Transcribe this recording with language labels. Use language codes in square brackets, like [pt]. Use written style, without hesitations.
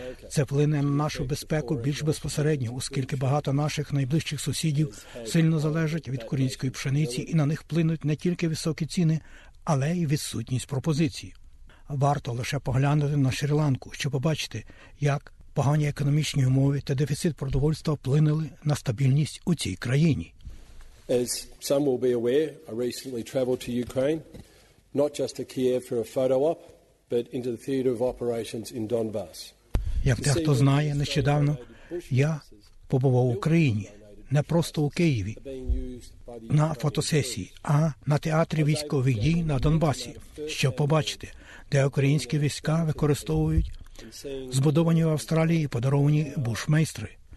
[uk] Це вплине на нашу безпеку більш безпосередньо, оскільки багато наших найближчих сусідів сильно залежать від корінської пшениці, і на них вплинуть не тільки високі ціни, але й відсутність пропозиції. Варто лише поглянути на Шрі-Ланку, щоб побачити, як погані економічні умови та дефіцит продовольства вплинули на стабільність у цій країні. [en] As some will be aware, I recently traveled to Ukraine, not just to Kiev for a photo op, but into the theater of operations in Donbas. [uk] Як дехто знає, нещодавно я побував в Україні, не просто у Києві на фотосесії, а на театрі військових дій на Донбасі, щоб побачити, де українські війська використовують збудовані в Австралії і подаровані бушмейстри.